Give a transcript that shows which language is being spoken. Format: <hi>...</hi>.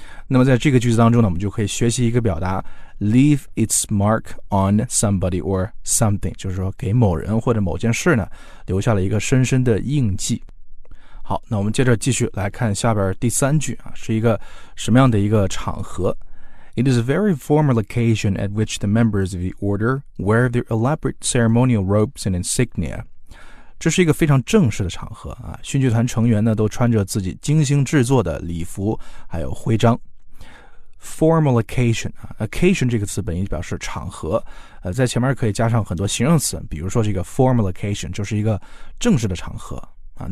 <zh>那么在这个句子当中呢我们就可以学习一个表达</zh> <en>Leave its mark on somebody or something，</en> <zh>就是说给某人或者某件事呢留下了一个深深的印记。好，那我们接着继续来看下边第三句啊，是一个什么样的一个场合。</zh> <en>It is a very formal occasion at which the members of the order wear their elaborate ceremonial robes and insignia。</en> <zh>这是一个非常正式的场合啊，勋爵团成员呢都穿着自己精心制作的礼服还有徽章。</zh> <en>Formal occasion，</en> <zh>occasion 这个词本意表示场合，在前面可以加上很多形容词，比如说这个 formal occasion 就是一个正式的场合啊。</zh>